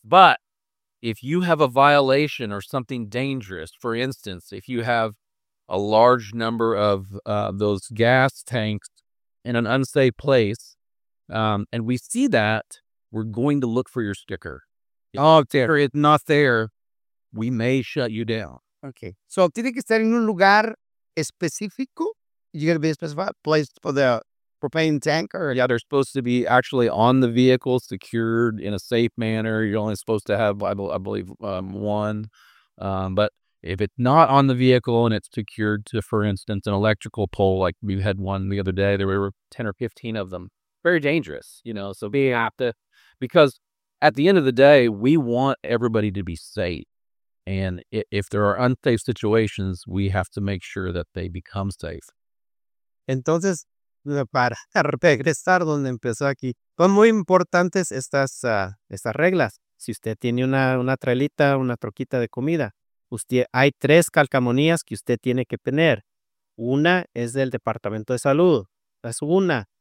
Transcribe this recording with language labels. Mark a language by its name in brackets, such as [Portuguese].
[English] But if you have a violation or something dangerous, for instance, if you have a large number of those gas tanks in an unsafe place, and we see that, we're going to look for your sticker. If it's not there, we may shut you down. Okay. [Spanish] So, tiene que estar en un lugar específico. [English] You got to be a specified place for the propane tank or... Yeah, they're supposed to be actually on the vehicle, secured in a safe manner. You're only supposed to have, I believe, one. But if it's not on the vehicle and it's secured to, for instance, an electrical pole, like we had one the other day, there were 10 or 15 of them. Very dangerous, you know. So, being apt to... Because at the end of the day, we want everybody to be safe. And if there are unsafe situations, we have to make sure that they become safe. [Spanish] Entonces, para regresar donde empezó aquí, son muy importantes estas reglas. Si usted tiene una trailita, una troquita de comida, hay tres calcomanías que usted tiene que tener. Una es del Departamento de Salud, es una.